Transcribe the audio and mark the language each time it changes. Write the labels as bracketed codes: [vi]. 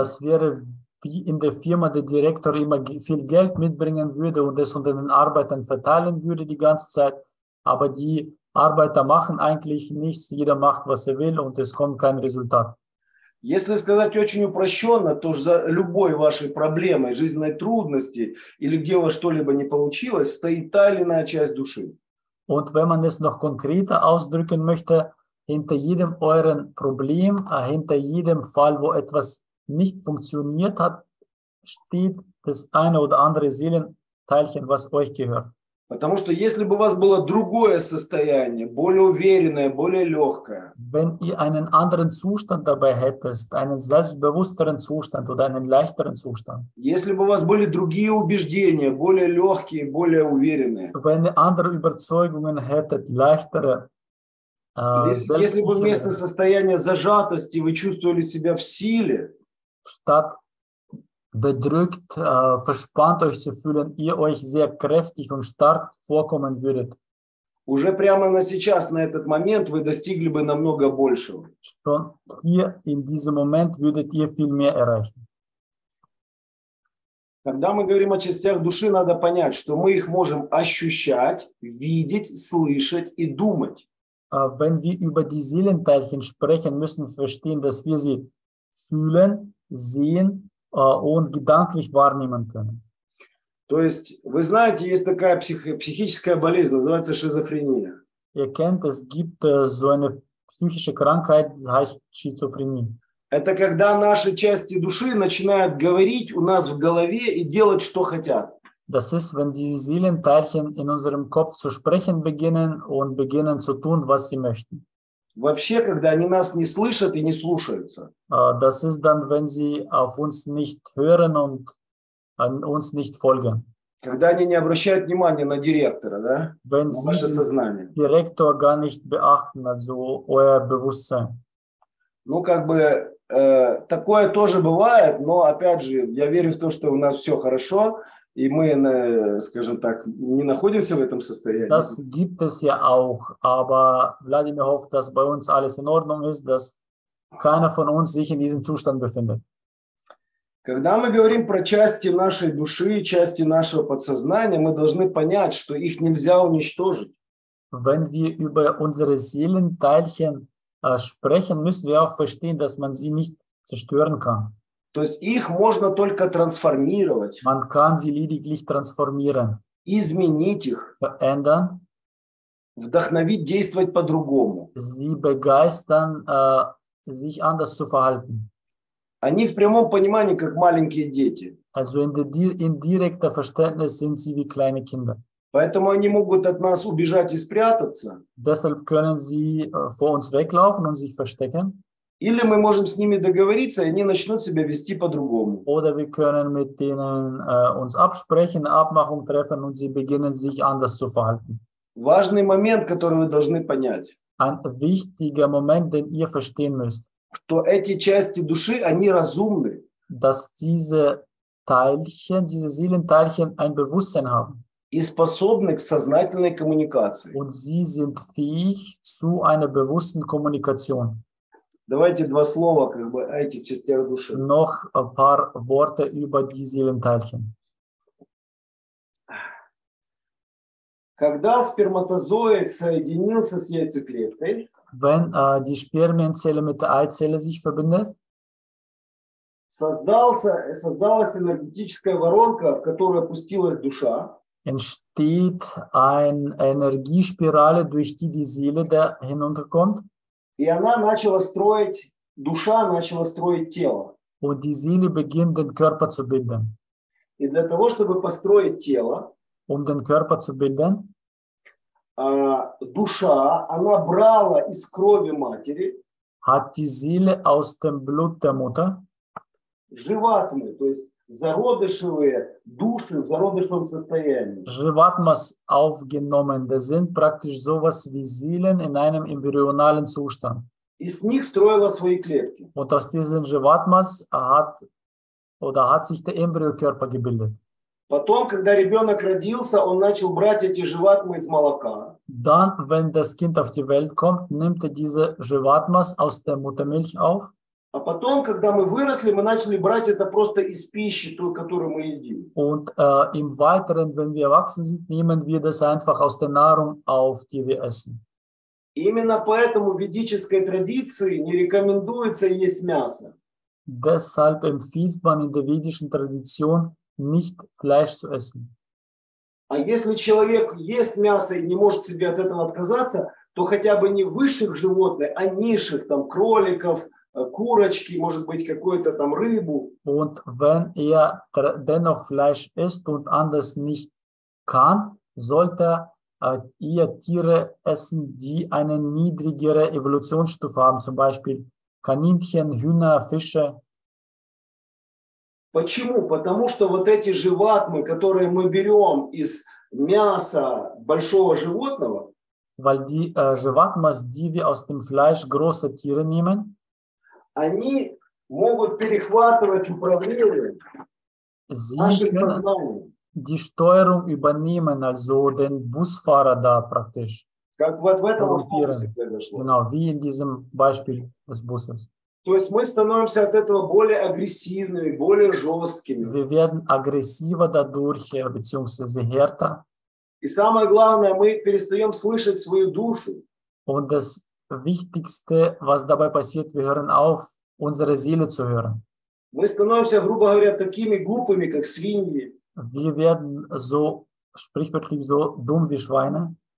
[de] Das wäre wie in der Firma, der Direktor immer viel Geld mitbringen würde und es unter den Arbeitern verteilen würde die ganze Zeit. Aber die Arbeiter machen eigentlich nichts, jeder macht, was er will und es kommt kein Resultat. [ru] Если сказать очень упрощенно, то за любой вашей проблемой, жизненной трудности или где у вас что-либо не получилось, стоит та или иная часть души. [de] Und wenn man es noch konkreter ausdrücken möchte, hinter jedem euren Problem, hinter jedem Fall, wo etwas nicht funktioniert hat, steht das eine oder andere Seelenteilchen, was euch gehört. [ru] Потому что если бы у вас было другое состояние, более уверенное, более легкое. [de] Wenn ihr einen anderen Zustand dabei hättest, einen selbstbewussteren Zustand oder einen leichteren Zustand. [ru] Если бы у вас были другие убеждения, более легкие, более уверенные. [de] Wenn ihr andere Überzeugungen hättet, leichtere. [ru] Если бы вместо состояния зажатости вы чувствовали себя в силе. [de] Statt bedrückt, verspannt euch zu fühlen, ihr euch sehr kräftig und stark vorkommen würdet. [ru] Уже прямо на сейчас, на этот момент, вы достигли бы намного большего. [de] Schon hier in diesem Moment würdet ihr viel mehr erreichen. [ru] Когда мы говорим о частях души, надо понять, что мы их можем ощущать, видеть, слышать и думать. [de] Wenn wir über die Seelenteilchen sprechen, müssen wir verstehen, dass wir sie fühlen, sehen, und gedanklich wahrnehmen können. [ru] То есть, вы знаете, есть такая психическая болезнь, называется шизофрения. [de] Ihr kennt, es gibt so eine psychische Krankheit, das heißt Schizophrenie. [ru] Это когда наши части души начинают говорить у нас в голове и делать, что хотят. [de] Das ist, wenn die Seelenteilchen in unserem Kopf zu sprechen beginnen und beginnen zu tun, was sie möchten. [ru] Вообще, когда они нас не слышат и не слушаются. [de] Das ist dann, wenn sie auf uns nicht hören und an uns nicht folgen. [ru] Когда они не обращают внимания на директора, да? [de] Wenn [ru] на [de] sie [ru] ваше сознание. [de] Direktor gar nicht beachten, also euer Bewusstsein. [ru] Ну, как бы, такое тоже бывает, но, опять же, я верю в то, что у нас все хорошо, и мы, скажем так, не находимся в этом состоянии. [de] Das gibt es ja auch, aber Vladimir hofft, dass bei uns alles in Ordnung ist, dass keiner von uns sich in diesem Zustand befindet. [ru] Когда мы говорим про части нашей души, части нашего подсознания, мы должны понять, что их нельзя уничтожить. [de] Wenn wir über unsere Seelenteilchen sprechen, müssen wir auch verstehen, dass man sie nicht zerstören kann. [ru] То есть их можно только трансформировать. [de] Man kann sie lediglich transformieren. [ru] Изменить их. [de] Verändern. [ru] Вдохновить действовать по-другому. [de] Sie begeistern, sich anders zu verhalten. [ru] Они в прямом понимании как маленькие дети. [de] Also in direkter Verständnis sind sie wie kleine Kinder. [ru] Поэтому они могут от нас убежать и спрятаться. [de] Deshalb können sie vor uns weglaufen und sich verstecken. [ru] Или мы можем с ними договориться, и они начнут себя вести по-другому. [de] Oder wir können mit denen uns absprechen, Abmachung treffen und sie beginnen sich anders zu verhalten. [ru] Важный момент, который вы должны понять. [de] Ein wichtiger Moment, den ihr verstehen müsst. [ru] Что эти части души, они разумны. [de] Dass diese Teilchen, diese Seelenteilchen ein Bewusstsein haben. [ru] И способны к сознательной коммуникации. [de] Und sie sind fähig zu einer bewussten Kommunikation. [ru] Давайте два слова как бы о этих частях души. [de] Noch ein paar Worte über die Seelenteilchen. [ru] Когда сперматозоид соединился с яйцеклеткой, [de] wenn die Spermienzelle mit der Eizelle sich verbindet, [ru] создалась энергетическая воронка, в которую опустилась душа, [de] entsteht eine Energiespirale, durch die die Seele da hinunterkommt. [ru] И она начала строить, душа начала строить тело. [de] Und die Seele beginnt, den Körper zu bilden. [ru] И для того, чтобы построить тело, [de] um den Körper zu bilden, [ru] душа, она брала из крови матери, [de] hat die Seele aus dem Blut der Mutter, [ru] живатмы, то есть зародышевые души в зародышевом состоянии. [de] Живатмас aufgenommen. Das sind praktisch sowas wie Seelen in einem embryonalen Zustand. [ru] И с них строила свои клетки. [de] Und aus diesen Живатмас hat sich der Embryokörper gebildet. [ru] Потом, когда ребенок родился, он начал брать эти живатмы из молока. [de] Dann, wenn das Kind auf die Welt kommt, nimmt diese Живатмас aus der Muttermilch auf. [ru] А потом, когда мы выросли, мы начали брать это просто из пищи, ту, которую мы едим. [de] Und im Weiteren, wenn wir erwachsen sind, nehmen wir das einfach aus der Nahrung auf, die wir essen. [ru] Именно поэтому в ведической традиции не рекомендуется есть мясо. [de] Deshalb empfiehlt man in der ведischen Tradition, nicht Fleisch zu essen. [ru] А если человек ест мясо и не может себе от этого отказаться, то хотя бы не высших животных, а низших, там, кроликов, курочки, может быть, какую-то там рыбу. [de] Und wenn dennoch Fleisch isst und anders nicht kann, sollte Tiere essen, die eine niedrigere Evolutionsstufe haben, zum Beispiel Kaninchen, Hühner, Fische. [ru] Почему? Потому что вот эти животные, которые мы берем из мяса большого животного, [de] weil die Животмас, die wir aus dem Fleisch großer Tiere nehmen, [ru] они могут перехватывать управление нашим сознанием. [de] Die Steuerung übernehmen, also den Busfahrer da praktisch. [ru] Как вот в этом Автобусе произошло. [de] Genau, wie in diesem Beispiel des Busses. [ru] То есть мы становимся от этого более агрессивными, более жесткими. [de] Wir werden aggressiver dadurch, beziehungsweise härter. [ru] И самое главное, мы перестаем слышать свою душу. [de] Und das Wichtigste, was dabei passiert, wir hören auf, unsere Seele zu hören. [ru] Мы становимся, грубо говоря, такими глупыми, как свиньи. [de] Wir werden so, sprichwörtlich, so dumm wie Schweine.